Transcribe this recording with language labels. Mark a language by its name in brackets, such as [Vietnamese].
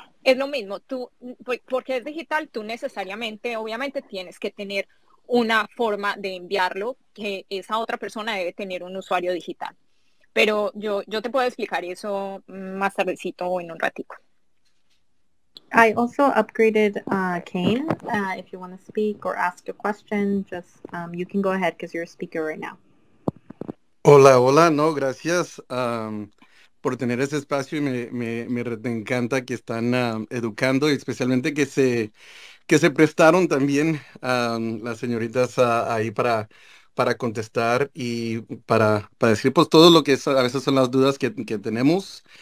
[Spanish] Es lo mismo, tú, porque es digital, tú necesariamente, obviamente, tienes que tener una forma de enviarlo, que esa otra persona debe tener un usuario digital. Pero yo te puedo explicar eso más tardecito o en un ratico. [English] I also upgraded Kane. If you want to speak or ask a question, just you can go ahead because you're a speaker right now. [Spanish] Hola, hola. No, gracias por tener ese espacio. Me encanta que están educando, especialmente que se prestaron también las señoritas ahí para contestar y para decir pues todo lo que es, a veces son las dudas que tenemos.